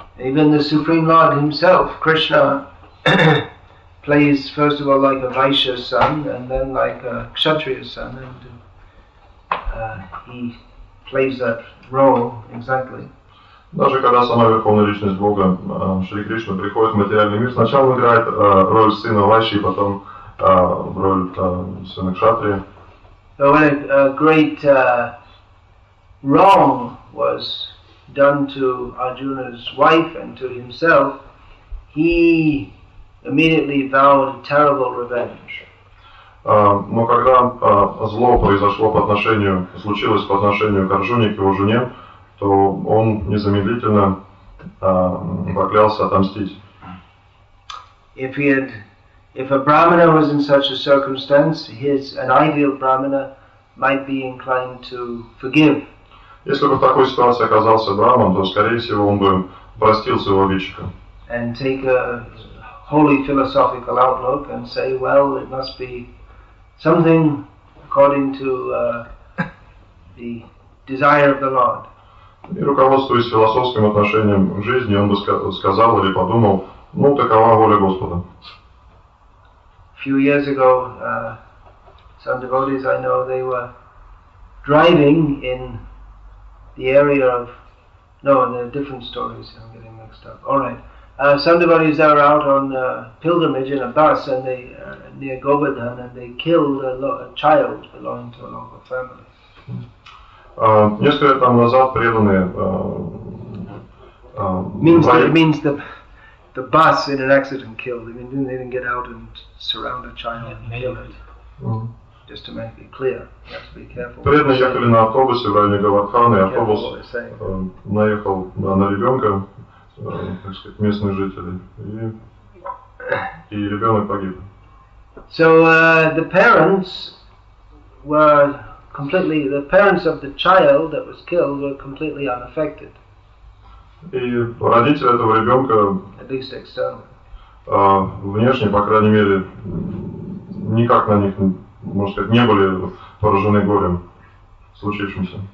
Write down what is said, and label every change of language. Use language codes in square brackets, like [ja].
[en] Even the Supreme Lord himself, Krishna, plays first of all like a Vaishya son and then like a Kshatriya son, and he plays that role exactly. [ru] Даже когда сама Верховная Личность Бога, Шри Кришна, приходит в материальный мир, сначала играет роль сына Вайши, и потом роль сына Кшатрия. [en] So when a great wrong was done to Arjuna's wife and to himself, he immediately vowed terrible revenge. [ru] Но когда зло произошло по отношению, случилось по отношению к Арджуне, к его жене, то он незамедлительно поклялся отомстить. [en] If a brahmana was in such a circumstance, an ideal brahmana might be inclined to forgive. [ru] Если бы в такой ситуации оказался брахман, то скорее всего он бы простил своего обидчика. [en] And take a holy philosophical outlook and say, well, it must be something according to the desire of the Lord. [ru] И руководствуясь философским отношением к жизни, он бы сказал или подумал, ну, такова воля Господа. [en] A few years ago, some devotees I know, they were driving in the area of... No, there are different stories, I'm getting mixed up. All right. Some devotees are out on a pilgrimage in a bus and they near Govardhan, and they killed a child belonging to a local family. [ru] Несколько лет там назад преданные... [en] Means the bus in an accident killed. They didn't get out and surround a child and kill it. Mm-hmm. Just to make it clear, you have to be careful. [ru] Преданные ехали на автобусе в районе Говардхана, и автобус наехал на ребенка, так сказать, местных жителей, и ребенок погиб. [en] So the parents were... Completely, the parents of the child that was killed were completely unaffected. [ru] И родители этого ребенка, [en] at least externally, [ru] внешне, по крайней мере, никак на них, можно сказать, не были поражены горем случившимся.